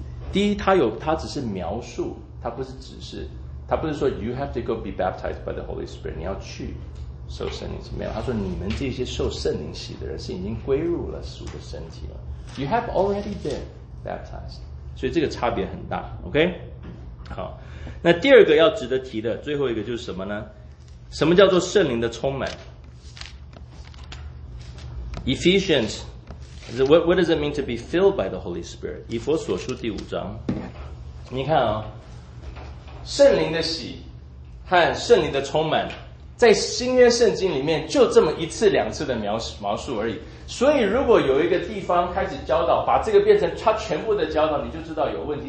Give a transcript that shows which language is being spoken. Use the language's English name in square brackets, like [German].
[Chinese] 第一，他只是描述，他不是指示，他不是说 [English] you have to go be baptized by the Holy Spirit， [Chinese] 你要去受圣灵，没有。他说你们这些受圣灵洗的人是已经归入了主的身体了， [English] you have already been baptized。 [Chinese] 所以这个差别很大， OK。好，那第二个要值得提的最后一个就是什么呢？什么叫做圣灵的充满？ [English] Ephesians， What does it mean to be filled by the Holy Spirit？ [Chinese] 以弗所书第五章，你看哦，圣灵的洗和圣灵的充满在新约圣经里面就这么一次两次的描述而已。所以如果有一个地方开始教导把这个变成他全部的教导，你就知道有问题。